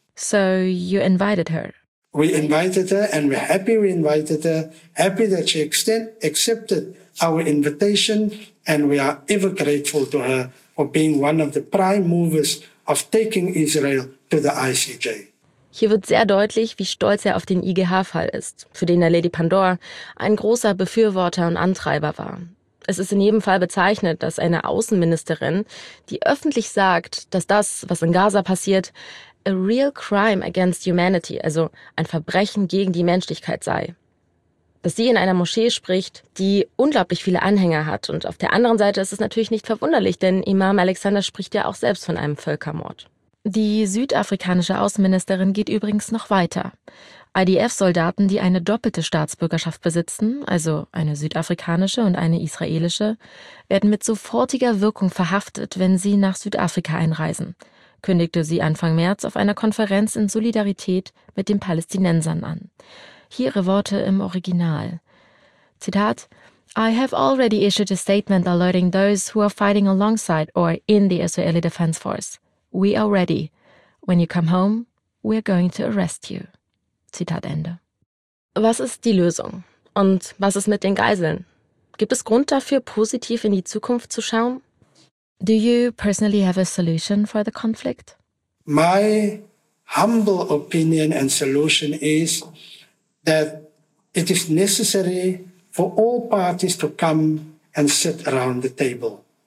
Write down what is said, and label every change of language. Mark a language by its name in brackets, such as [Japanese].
[English] So you invited her? We invited her, and we're happy we invited her, happy that she accepted our invitation, and we are ever grateful to her for being one of the prime movers of taking Israel to the ICJ. [German] Hier wird sehr deutlich, wie stolz er auf den IGH-Fall ist, für den er Lady Pandor ein großer Befürworter und Antreiber war. Es ist in jedem Fall bezeichnend, dass eine Außenministerin, die öffentlich sagt, dass das, was in Gaza passiert, [English] a real crime against humanity, [German] also ein Verbrechen gegen die Menschlichkeit sei. Dass sie in einer Moschee spricht, die unglaublich viele Anhänger hat. Und auf der anderen Seite ist es natürlich nicht verwunderlich, denn Imam Alexander spricht ja auch selbst von einem Völkermord. Die südafrikanische Außenministerin geht übrigens noch weiter. IDF-Soldaten, die eine doppelte Staatsbürgerschaft besitzen, also eine südafrikanische und eine israelische, werden mit sofortiger Wirkung verhaftet, wenn sie nach Südafrika einreisen, kündigte sie Anfang März auf einer Konferenz in Solidarität mit den Palästinensern an. Hier ihre Worte im Original. [English] Zitat: I have already issued a statement alerting those who are fighting alongside or in the Israeli Defense Force. We are ready. When you come home, we are going to arrest you. [German] Zitat Ende. Was ist die Lösung? Und was ist mit den Geiseln? Gibt es Grund dafür, positiv in die Zukunft zu schauen? [English] Do you personally have a solution for the conflict? My humble opinion and solution is that it is necessary for all parties to come and sit around the table.